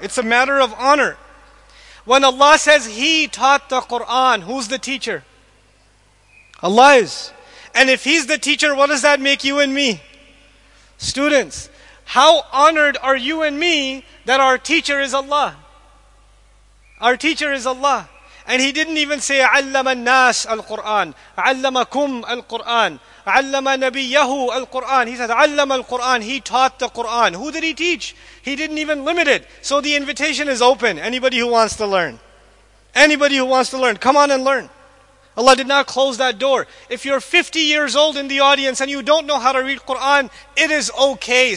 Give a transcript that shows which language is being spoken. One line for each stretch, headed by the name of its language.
English: It's a matter of honor. When Allah says He taught the Quran, who's the teacher? Allah is. And if He's the teacher, what does that make you and me? Students, how honored are you and me that our teacher is Allah? Our teacher is Allah. And He didn't even say,
Arabic: عَلَّمَ النَّاسَ الْقُرْآنَ عَلَّمَكُمْ الْقُرْآنَ عَلَّمَ نَبِيَّهُ الْقُرْآنَ.
English: He said,
Arabic: عَلَّمَ الْقُرْآنَ.
English: He taught the Qur'an. Who did He teach? He didn't even limit it. So the invitation is open. Anybody who wants to learn. Anybody who wants to learn, come on and learn. Allah did not close that door. If you're 50 years old in the audience and you don't know how to read Qur'an, it is okay.